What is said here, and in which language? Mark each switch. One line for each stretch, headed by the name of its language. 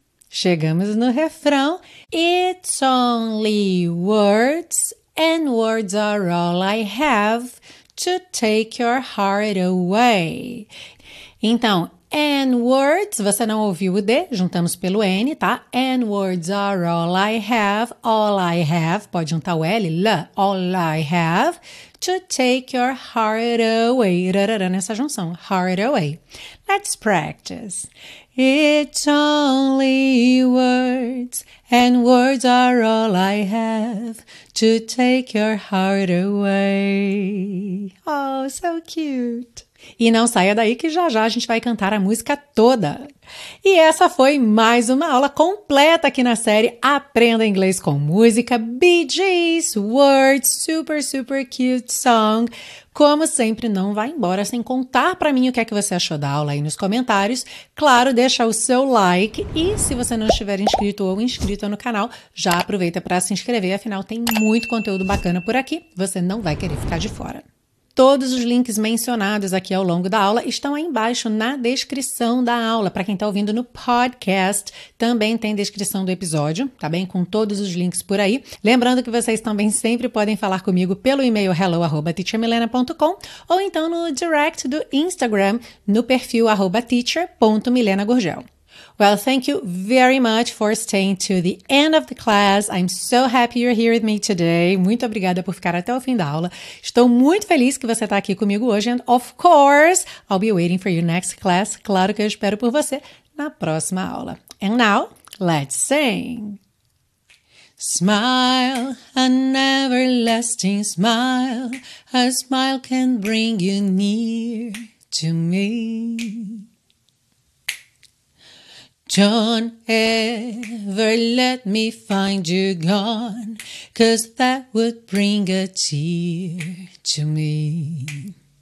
Portuguese: Chegamos no refrão.
English: It's only words, and words are all I have to take your heart away.
Portuguese: Então,
English: and words,
Portuguese: você não ouviu o D, juntamos pelo N, tá?
English: And words are all I have,
Portuguese: pode juntar o L, L,
English: all I have, to take your heart away,
Portuguese: rarara nessa junção,
English: heart away. Let's practice. It's only words, and words are all I have, to take your heart away. Oh, so cute.
Portuguese: E não saia daí que já já a gente vai cantar a música toda. E essa foi mais uma aula completa aqui na série Aprenda Inglês com Música, Bee Gees, Words,
English: super, super cute song.
Portuguese: Como sempre, não vá embora sem contar para mim o que é que você achou da aula aí nos comentários. Claro, deixa o seu like e se você não estiver inscrito ou inscrita no canal, já aproveita para se inscrever, afinal tem muito conteúdo bacana por aqui, você não vai querer ficar de fora. Todos os links mencionados aqui ao longo da aula estão aí embaixo na descrição da aula. Para quem está ouvindo no podcast, também tem descrição do episódio, tá bem? Com todos os links por aí. Lembrando que vocês também sempre podem falar comigo pelo e-mail hello@teachermilena.com ou então no direct do Instagram no perfil @teacher.milenagurgel.
English: Well, thank you very much for staying to the end of the class. I'm so happy you're here with me today.
Portuguese: Muito obrigada por ficar até o fim da aula. Estou muito feliz que você está aqui comigo hoje.
English: And of course, I'll be waiting for your next class.
Portuguese: Claro que eu espero por você na próxima aula.
English: And now, let's sing. Smile, an everlasting smile, a smile can bring you near to me. Don't ever let me find you gone, 'cause that would bring a tear to me.